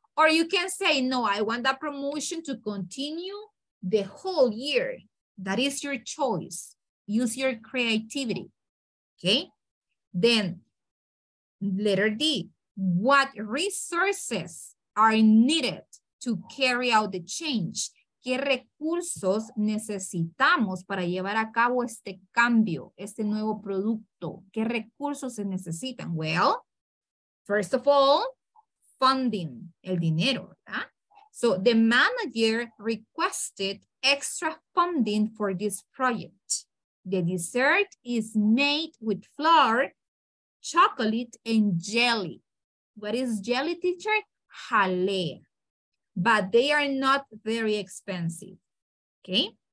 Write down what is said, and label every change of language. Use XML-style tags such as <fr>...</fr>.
<en>Or you can say, no, I want that promotion to continue the whole year. That is your choice. Use your creativity. Okay. Then letter D, what resources are needed to carry out the change?</en> <es>¿Qué recursos necesitamos para llevar a cabo este cambio, este nuevo producto? ¿Qué recursos se necesitan?</es> <en>Well, first of all, funding,</en> <es>el dinero, ¿verdad?</es> <en>So the manager requested extra funding for this project. The dessert is made with flour, chocolate, and jelly. What is jelly, teacher?</en> <es>Jalea.</es> <en>But they are not very expensive, okay?</en>